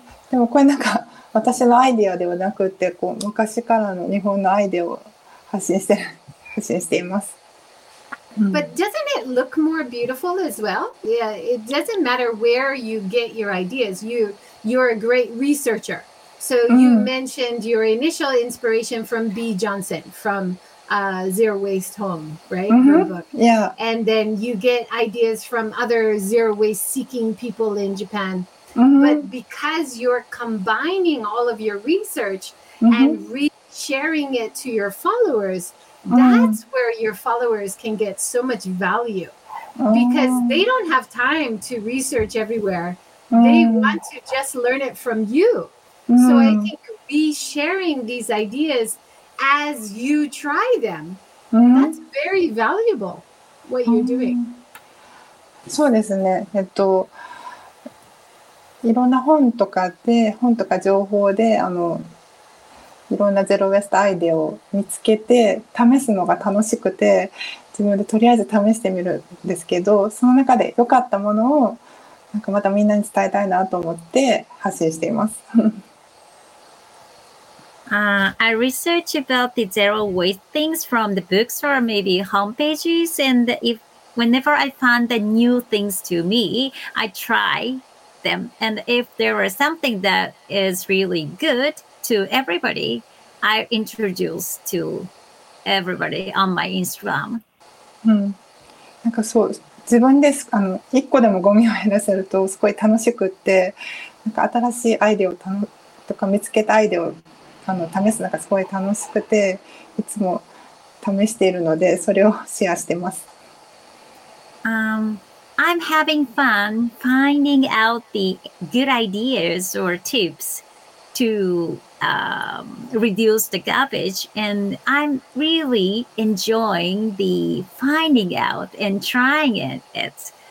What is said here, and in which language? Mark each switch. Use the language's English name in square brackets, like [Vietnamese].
[Japanese] でもこれなんか私のアイデアではなくて、こう昔からの日本のアイデアを発信しています。 [English] But doesn't it look more beautiful as well? Yeah, it doesn't matter where you get your ideas. You're a great researcher. So you mentioned your initial inspiration from B. Johnson from Zero Waste Home, right? Yeah. And then you get ideas from other zero waste seeking people in Japan. But because you're combining all of your research and sharing it to your followers, that's where your followers can get so much value because they don't have time to research everywhere. They want to just learn it from you. So I think resharing these ideas as you try them, that's very valuable, what you're doing. [Japanese] そうですね。いろんな本とかで、本とか情報で、あの、いろんなゼロウェストアイデアを見つけて、試すのが楽しくて、自分でとりあえず試してみるんですけど、その中で良かったものを、なんかまたみんなに伝えたいなと思って発信しています。 [English] I research about the zero waste things from the books or maybe homepages. And if whenever I find the new things to me, I try them. And if there is something that is really good to everybody, I introduce to everybody on my Instagram. [Japanese] なんかそう、自分で、あの、一個でもゴミを減らせるとすごい楽しくって、なんか新しいアイデアをとか見つけたアイデアを、あの、試すのがすごい楽しくて、いつも試しているので、それをシェアしてます。 [English] I'm having fun finding out the good ideas or tips to, reduce the garbage, and I'm really enjoying the finding out and trying it.